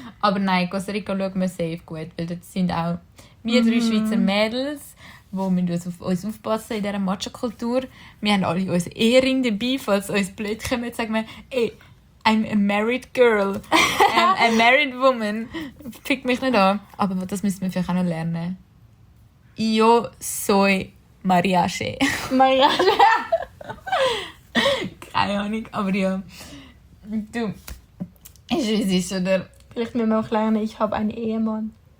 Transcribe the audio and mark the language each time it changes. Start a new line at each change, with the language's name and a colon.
German: Aber nein, Costa Rica schauen wir safe gut, weil dort sind auch wir drei Schweizer Mädels. Wo wir uns auf uns aufpassen in dieser Macho-Kultur. Wir haben alle unsere Ehring dabei, falls uns blöd kommen. Sagen wir, ey,
English: I'm a married girl. I'm a married woman.
German: Pick mich nicht an. Aber das müssen wir vielleicht auch noch lernen. Io soy mariage. Mariage? Keine Ahnung, aber ja. Du, ich weiß es, oder? Vielleicht müssen wir auch lernen, ich habe einen Ehemann.